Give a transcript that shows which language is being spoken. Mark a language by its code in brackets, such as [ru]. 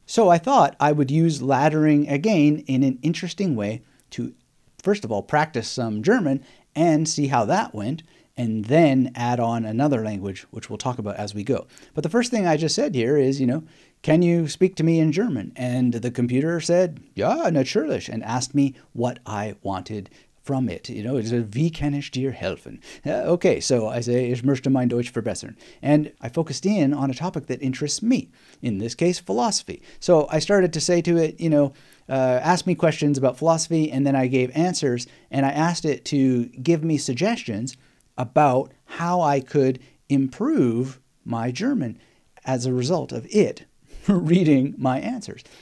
[en] So I thought I would use laddering again in an interesting way to, first of all, practice some German and see how that went, and then add on another language, which we'll talk about as we go. But the first thing I just said here is, you know, can you speak to me in German? And the computer said, yeah, natürlich, and asked me what I wanted from it. You know, it said, [de] wie kann ich dir helfen? [en] Okay, so I say, [de] ich möchte mein Deutsch verbessern. [en] And I focused in on a topic that interests me, in this case, philosophy. So I started to say to it, you know, ask me questions about philosophy, and then I gave answers, and I asked it to give me suggestions about how I could improve my German as a result of it reading my answers.